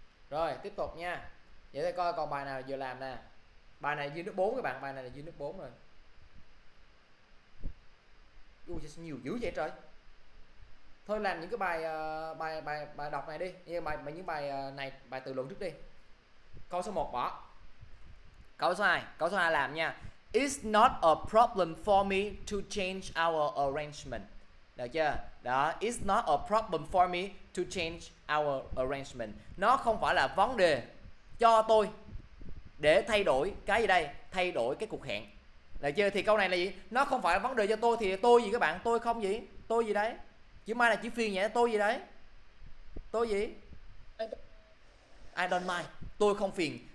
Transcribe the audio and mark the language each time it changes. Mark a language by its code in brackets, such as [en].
[vi] Rồi, tiếp tục nha. Vậy thì coi còn bài nào vừa làm nè. Bài này dưới nước 4 các bạn, bài này là dưới nước 4 rồi. Ui, nhiều dữ vậy trời. Thôi làm những cái bài bài bài bài đọc này đi, như bài mấy những bài này, bài tự luận trước đi. Câu số 1 bỏ. Câu số 2 làm nha. [en] It's not a problem for me to change our arrangement. [vi] Được chưa? Đó, [en] it's not a problem for me to change our arrangement. [vi] Nó không phải là vấn đề cho tôi để thay đổi cái gì đây? Thay đổi cái cuộc hẹn. Được chưa? Thì câu này là gì? Nó không phải là vấn đề cho tôi thì tôi gì các bạn? Tôi không gì? Tôi gì đấy? Chứ mai là chỉ phiền nhẹ tôi gì đấy? Tôi gì? [en] I don't mind. [vi] Tôi không phiền.